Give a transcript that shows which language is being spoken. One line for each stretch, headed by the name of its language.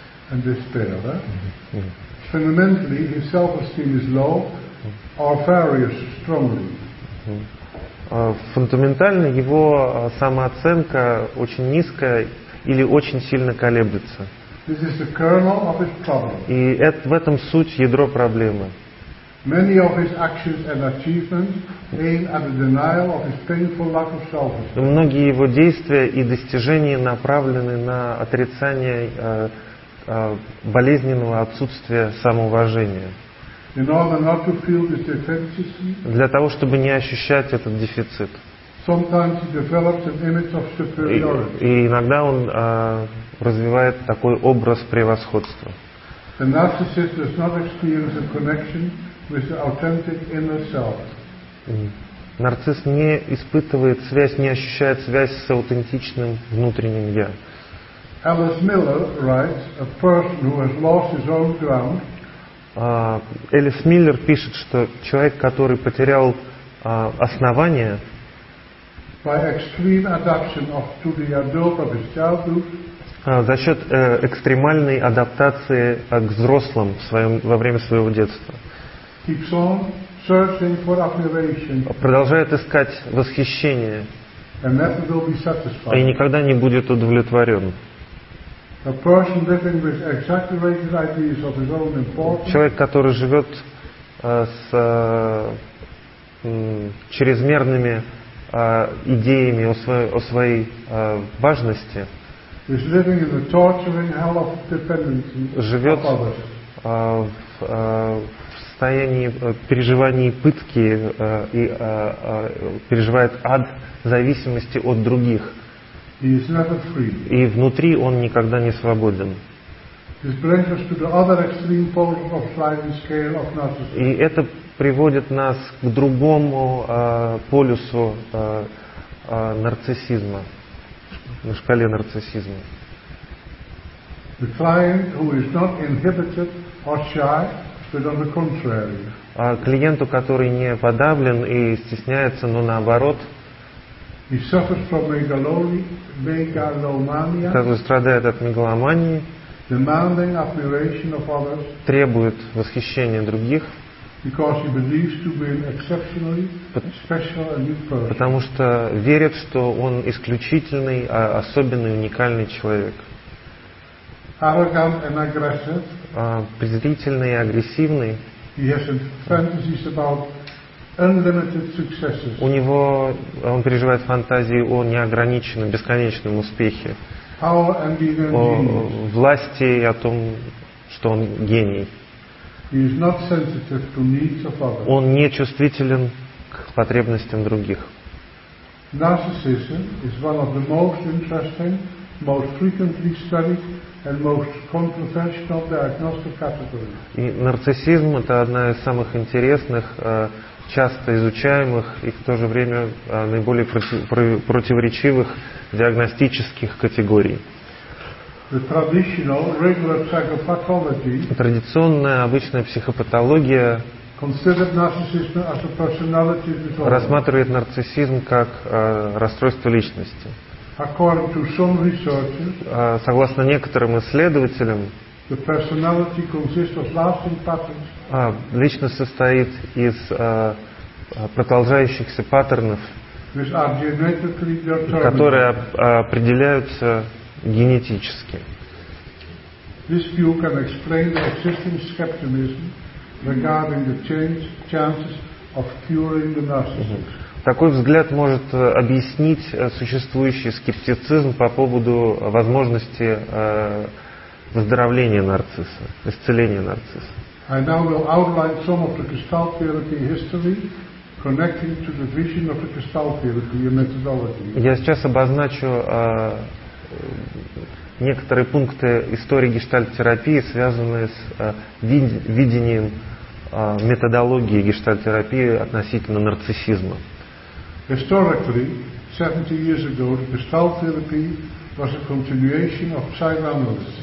English: And despair, да? Fundamentally, his self-esteem is low or varies strongly.
Russian: Фундаментально его самооценка очень низкая или очень сильно колеблется.
English: This is the kernel of his problem.
Russian: И в этом суть, ядро проблемы.
English: Many of his actions and achievements aim at the denial of his painful lack of self-esteem.
Russian: Многие его действия и достижения направлены на отрицание болезненного отсутствия самоуважения.
English: In order not to feel this deficiency,
Russian: для того, чтобы не ощущать этот дефицит.
English: Sometimes he develops an image of superiority.
Russian: И иногда он развивает такой образ превосходства.
English: The narcissist does not experience a connection with the authentic inner self.
Russian: Нарцисс не испытывает связь, не ощущает связь с аутентичным внутренним я.
English: Alice Miller writes, a person who has lost his own ground.
Russian: Элис Миллер пишет, что человек, который потерял основание,
English: by extreme adaptation to the adult of his childhood,
Russian: За счет экстремальной адаптации к взрослым в своем, во время своего детства.
English: Keeps on searching for affirmation.
Russian: Продолжает искать восхищение.
English: And never will be satisfied.
Russian: И никогда не будет удовлетворен.
English: A person living with exaggerated ideas of his own importance.
Russian: Человек, который живет с чрезмерными идеями о своей важности,
English: is living in the torturing hell of dependency.
Russian: Живет в состоянии переживания пытки и переживает ад зависимости от других.
English: He is never free.
Russian: И внутри он никогда не свободен.
English: This brings us to the other extreme pole of sliding scale of narcissism.
Russian: И это приводит нас к другому полюсу нарциссизма, на шкале нарциссизма.
English: The client who is not inhibited or shy, but on the contrary.
Russian: Клиенту, который не подавлен и стесняется, но наоборот.
English: He suffers from megalomania.
Russian: Который страдает от мегаломании.
English: Demanding admiration of others.
Russian: Требует восхищения других.
English: Because he believes to be an exceptionally special and unique person.
Russian: Потому что верит, что он исключительный, особенный, уникальный человек.
English: Arrogant and aggressive.
Russian: Презрительный и агрессивный.
English: He has fantasies about unlimited successes.
Russian: У него он переживает фантазии о неограниченном, бесконечном успехе.
English: Power and being a genius.
Russian: О власти и о том, что он гений.
English: He is not sensitive to needs of others.
Russian: Он не чувствителен к потребностям других.
English: Narcissism is one of the most interesting, most frequently studied, and most controversial diagnostic categories.
Russian: И нарциссизм — это одна из самых интересных, часто изучаемых и в то же время наиболее противоречивых диагностических категорий.
English: The traditional regular psychopathology.
Russian: Традиционная обычная психопатология
English: considered narcissism as a personality disorder.
Russian: Рассматривает нарциссизм как расстройство личности.
English: According to some researchers,
Russian: согласно некоторым исследователям,
English: the personality consists of lasting patterns.
Russian: Личность состоит из продолжающихся паттернов,
English: which are genetically determined.
Russian: Которые определяются генетически.
English: This view can explain the existing skepticism regarding the chances of curing the narcissism.
Russian: Такой взгляд может объяснить существующий скептицизм по поводу возможности выздоровления нарцисса, исцеления нарцисса.
English: I now will outline some of the Gestalt therapy history connecting to the vision of the Gestalt therapy methodology.
Russian: Я сейчас обозначу некоторые пункты истории гештальт-терапии, связанные с видением методологии гештальт-терапии относительно нарциссизма.
English: Historically, 70 years ago, gestalt therapy was a continuation of psychoanalysis.